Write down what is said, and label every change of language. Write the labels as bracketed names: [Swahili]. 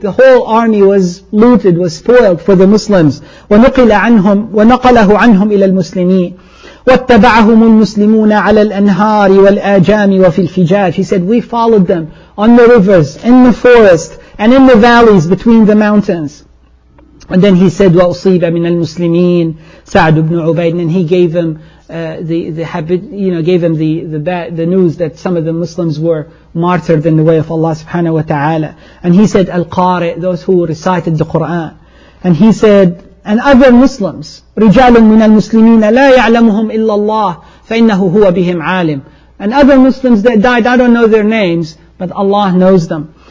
[English] The whole army was looted, was spoiled for the Muslims. [Arabic] وَنَقَلَهُ عَنْهُمْ إِلَى الْمُسْلِمِينَ. وَاتَّبَعَهُمُ الْمُسْلِمُونَ عَلَى الْأَنْهَارِ وَالْآجَامِ وَفِي الْفِجَاجِ. [English] He said, we followed them on the rivers, in the forest, and in the valleys between the mountains. And then he said, [Arabic] وَأُصِيبَ مِنَ الْمُسْلِمِينَ سَعْدُ بْنُ عُبَيْدٍ. [English] And he gave him the news that some of the Muslims were martyred in the way of Allah subhanahu wa ta'ala. And he said, Al-Qari', those who recited the Quran. And he said, and other Muslims, [Arabic] رِجَالٌ مِنَ الْمُسْلِمِينَ لَا يَعْلَمُهُمْ إِلَّا اللَّهِ فَإِنَّهُ هُوَ بِهِمْ عَالِمٌ. [English] And other Muslims that died, I don't know their names, but Allah knows them.